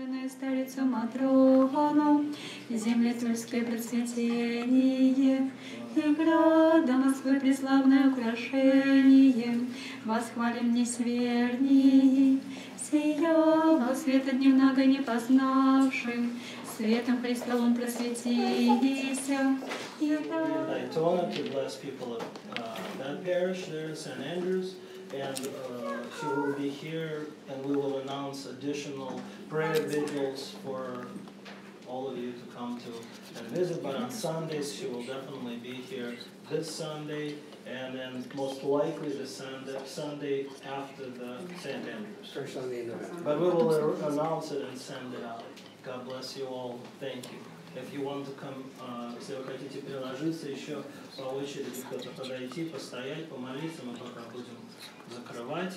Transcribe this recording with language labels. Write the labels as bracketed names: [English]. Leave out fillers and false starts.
[Church Slavic] Старица Матрона, земли тульской процветение, и града Москвы преславное украшение, восхвалим несвернии, сияла света дневного не познавшим, светом Христовым просветися. [English] Daytona to bless people of that parish there in St. Andrews, and she will be here, and we will announce additional prayer vigils for all of you to come to and visit. But on Sundays, she will definitely be here this Sunday, and then most likely the Sunday after the St. Andrews. First Sunday in November. But we will announce it and send it out. God bless you all. Thank you. If you want to come, [Russian] если вы хотите приложиться еще по очереди, кто-то подойти, постоять, помолиться, мы пока будем закрывать.